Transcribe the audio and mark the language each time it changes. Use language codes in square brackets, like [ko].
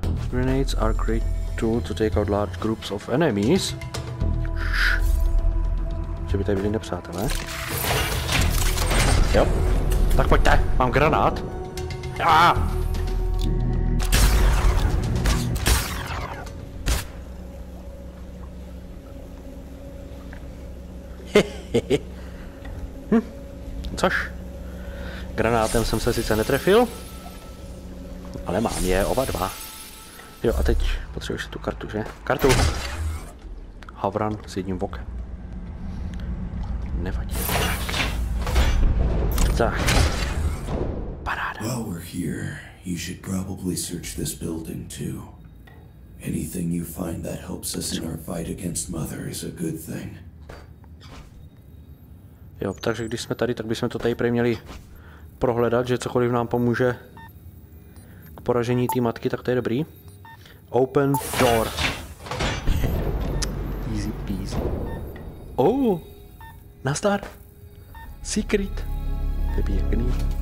[en] Grenades are great tool to take out large groups of enemies. [cs] Že by tady byli nepřátelé. Jo. Tak pojďte, mám granát. Což? Granátem jsem se sice netrefil, ale mám je oba dva. Jo, a teď potřebuješ tu kartu, že? Kartu! Havran s jedním bokem. Nevadí. Tak. Paráda. [en] While we're here, you should probably search this building too. Anything you find that helps us in our fight against Mother is a good thing. [cs] Jo, takže když jsme tady, tak bychom to tady prej měli prohledat, že cokoliv nám pomůže k poražení té matky, tak to je dobrý. [en] Open door. Easy peasy. [cs] Oh, nazdar. Secret. To je pěkný.